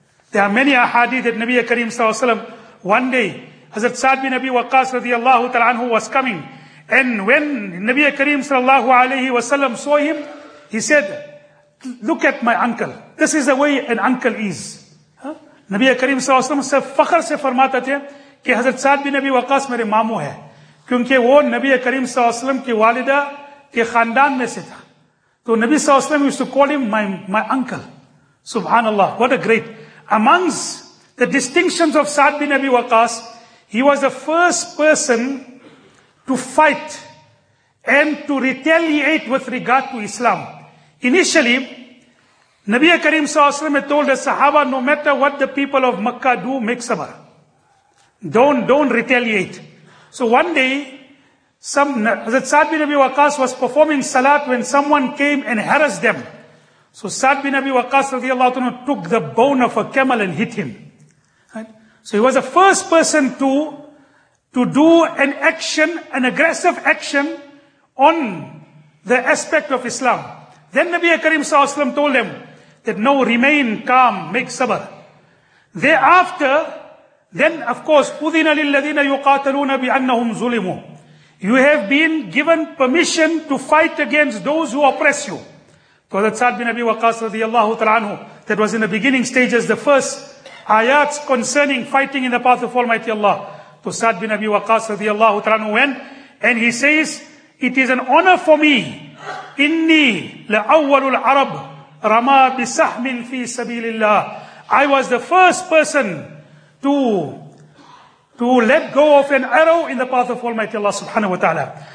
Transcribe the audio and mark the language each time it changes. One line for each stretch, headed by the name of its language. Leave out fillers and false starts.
English: There are many ahadith that Nabi Karim sallallahu alaihi wasallam, one day Hazrat Sa'd bin Abi Waqqas radiyallahu ta'ala anhu was coming, and when Nabi Karim sallallahu alaihi wasallam saw him, he said, look at my uncle, this is the way an uncle is.
Urdu: Nabi Karim sallallahu alaihi wasallam se fakhr se farmata the کہ حضرت سعد بن ابی وقاص میرے مامو ہے, کیونکہ وہ نبی کریم صلی اللہ علیہ وسلم کی والدہ کے خاندان میں سے تھا. تو نبی صلی اللہ علیہ وسلم
English: used to call him my uncle. سبحان اللہ, what a great. Amongst the distinctions of Saad bin Abi Waqqas, he was the first person to fight and to retaliate with regard to Islam. Initially, Nabi Karim sallallahu alayhi wa sallam told the Sahaba, no matter what the people of Makkah do, make sabr. Don't retaliate. So one day, Hazrat Sa'd bin Abi Waqas was performing salat when someone came and harassed them. So Sa'd bin Abi Waqas radiallahu anhu took the bone of a camel and hit him. So he was the first person to do an action, an aggressive action on the aspect of Islam. Then Nabi Karim sallallahu alaihi wasallam told them that no, remain calm, make sabr. Thereafter, then of course,
Arabic: أُذِنَ لِلَّذِينَ يُقَاتَلُونَ بِأَنَّهُمْ ظُلِمُوا.
English: You have been given permission to fight against those who oppress you. So that Sa'd bin Abi Waqas radiallahu ta'ala anhu, that was in the beginning stages, the first ayats concerning fighting in the path of Almighty Allah. So Sa'd bin Abi Waqas radiallahu ta'ala anhu went, and he says, it is an honor for me,
Arabic: إِنِّي لَأَوَّلُ الْعَرَبْ رَمَى بِسَحْمٍ فِي سَبِيلِ اللَّهِ.
English: I was the first person to let go of an arrow in the path of Almighty Allah subhanahu wa ta'ala.